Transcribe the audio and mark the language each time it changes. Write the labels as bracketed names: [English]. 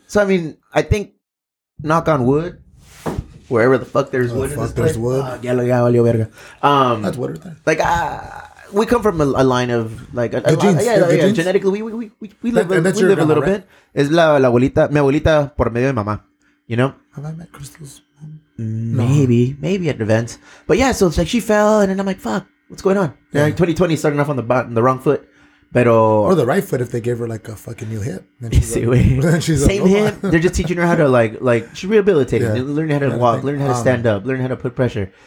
[English] So, I mean, I think, knock on wood, wherever the fuck there's wood in this place. That's wood right there. Like, we come from a line of, like, genes. Genetically, we live a little bit. [Spanish] Es la abuelita, mi abuelita por medio de mamá, [English] you know? Have I met Crystal's mom? Maybe at an event. But yeah, so it's like she fell and then I'm like, fuck. What's going on? Yeah. Like 2020 starting off on the wrong foot. Or the right foot if they gave her like a fucking new hip. Same hip. They're just teaching her how to like she's rehabilitated. Yeah. Learning how to walk. Learning how to stand up. Learning how to put pressure.